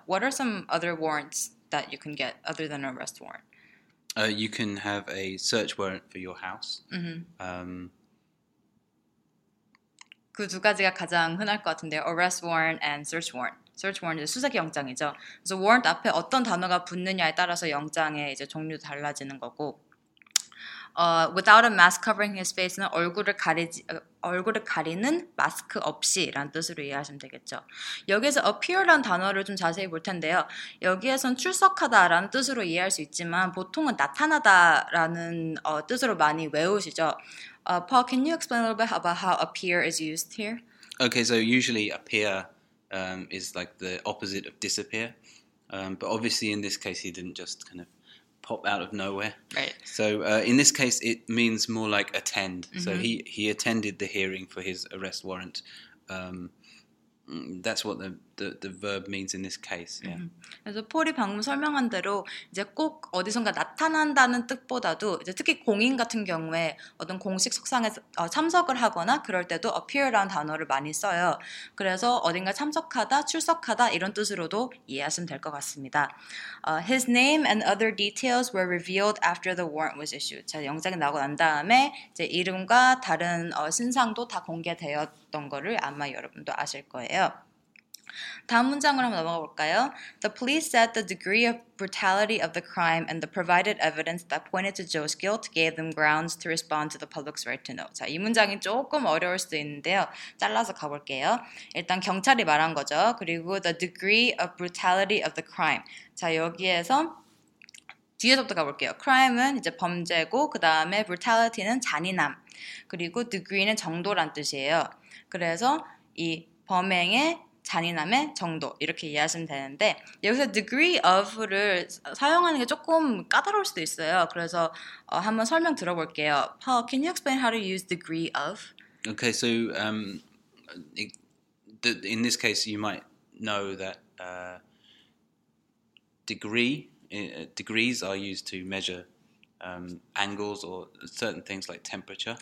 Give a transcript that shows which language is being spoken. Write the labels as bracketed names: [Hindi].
[English] What are some other warrants that you can get other than arrest warrant? You can have a search warrant for your house. Mm-hmm. [Korean] 그 두 가지가 가장 흔할 것 같은데요. [English] Arrest warrant and search warrant. Search warrant [Korean] 이제 수색 영장이죠. 그래서 warrant 앞에 어떤 단어가 붙느냐에 따라서 영장의 이제 종류도 달라지는 거고. [English] Without a mask covering his face [Korean] 는 얼굴을 가리는 마스크 없이라는 뜻으로 이해하시면 되겠죠. 여기에서 appear라는 단어를 좀 자세히 볼 텐데요. 여기에서는 출석하다라는 뜻으로 이해할 수 있지만 보통은 나타나다라는 뜻으로 많이 외우시죠. [English] Paul, can you explain a little bit about how appear is used here? Okay, so usually appear is like the opposite of disappear. But obviously in this case he didn't just kind of pop out of nowhere. Right. So in this case, it means more like attend. Mm-hmm. So he attended the hearing for his arrest warrant. That's what the verb means in this case. Yeah. Mm-hmm. [Korean] 그래서 폴이 방금 설명한 대로 이제 꼭 어디선가 나타난다는 뜻보다도 이제 특히 공인 같은 경우에 어떤 공식 석상에 참석을 하거나 그럴 때도 appear라는 단어를 많이 써요. 그래서 어딘가 참석하다, 출석하다 이런 뜻으로도 이해하시면 될 것 같습니다. [English] His name and other details were revealed after the warrant was issued. [Korean] 자, 영장이 나고 난 다음에 이제 이름과 다른 신상도 다 공개되었던 거를 아마 여러분도 아실 거예요. 다음 문장으로 한번 넘어가 볼까요? [English] The police said the degree of brutality of the crime and the provided evidence that pointed to Joe's guilt gave them grounds to respond to the public's right to know. [Korean] 자, 이 문장이 조금 어려울 수도 있는데요. 잘라서 가볼게요. 일단 경찰이 말한 거죠. 그리고 [English] the degree of brutality of the crime. [Korean] 자, 여기에서 뒤에서부터 가볼게요. crime은 이제 범죄고 그 다음에 brutality는 잔인함. 그리고 degree는 정도란 뜻이에요. 그래서 이 범행의 잔인함의 정도 이렇게 이해하시면 되는데 여기서 degree of를 사용하는 게 조금 까다로울 수도 있어요. 그래서 한번 설명 들어볼게요. [English] Paul, can you explain how to use degree of? Okay, so in this case, you might know that degrees are used to measure angles or certain things like temperature.